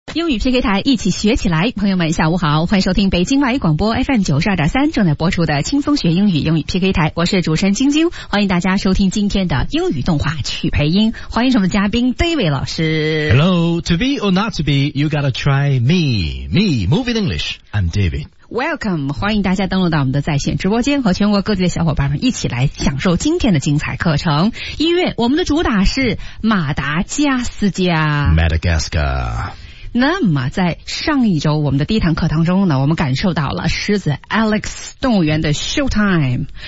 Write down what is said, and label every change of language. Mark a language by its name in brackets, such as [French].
[Chinese] 英语 PK 台一起学起来，朋友们下午好，欢迎收听北京外语广播 FM92.3 正在播出的轻松学英语英语 PK 台，我是主持人晶晶，欢迎大家收听今天的英语动画曲培音，欢迎我们嘉宾 David 老师。 [English] Hello, to be or not to be, you gotta try me, me, Move in English, I'm David [Chinese] Welcome, 欢迎大家登录到我们的在线直播间，和全国各地的小伙伴们一起来享受今天的精彩课程。音乐，我们的主打是马达加斯加。 [English] Madagascar。 [Chinese] 那么在上一周我们的第一堂课当中呢，我们感受到了狮子 Alex 动物园的 Showtime。